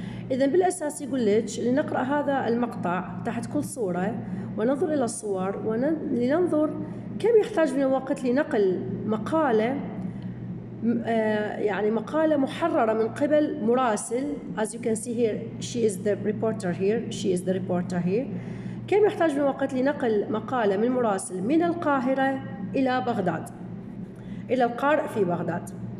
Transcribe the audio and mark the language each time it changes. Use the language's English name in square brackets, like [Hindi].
[Arabic] إذا بالأساس يقول لك لنقرأ هذا المقطع تحت كل صورة وننظر إلى الصور ولننظر كم يحتاج من الوقت لنقل مقالة، يعني مقالة محررة من قبل مراسل. [English] As you can see here, she is the reporter here. She is the reporter here. [Arabic] كم يحتاج من الوقت لنقل مقالة من مراسل من القاهرة إلى بغداد، إلى القارئ في بغداد.